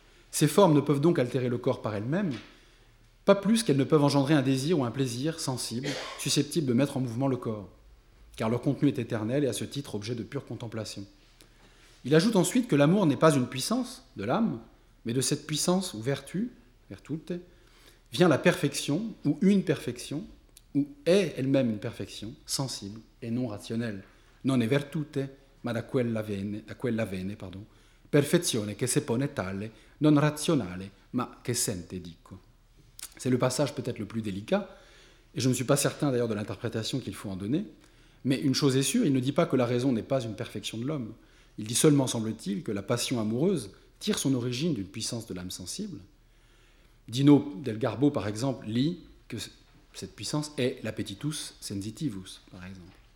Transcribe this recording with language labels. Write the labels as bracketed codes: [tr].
[fr] Ces formes ne peuvent donc altérer le corps par elles-mêmes, pas plus qu'elles ne peuvent engendrer un désir ou un plaisir sensible susceptible de mettre en mouvement le corps, car leur contenu est éternel et à ce titre objet de pure contemplation. Il ajoute ensuite que l'amour n'est pas une puissance de l'âme, mais de cette puissance ou vertu, virtute, vient la perfection, ou une perfection, ou est elle-même une perfection, sensible et non rationnelle. [it] Non è virtute, ma da quella vene, perfezione che se pone tale, non razionale, ma che sente dico. [fr] C'est le passage peut-être le plus délicat, et je ne suis pas certain d'ailleurs de l'interprétation qu'il faut en donner, mais une chose est sûre, il ne dit pas que la raison n'est pas une perfection de l'homme. Il dit seulement, semble-t-il, que la passion amoureuse tire son origine d'une puissance de l'âme sensible. Dino Del Garbo, par exemple, lit que cette puissance est l'appetitus sensitivus, par exemple.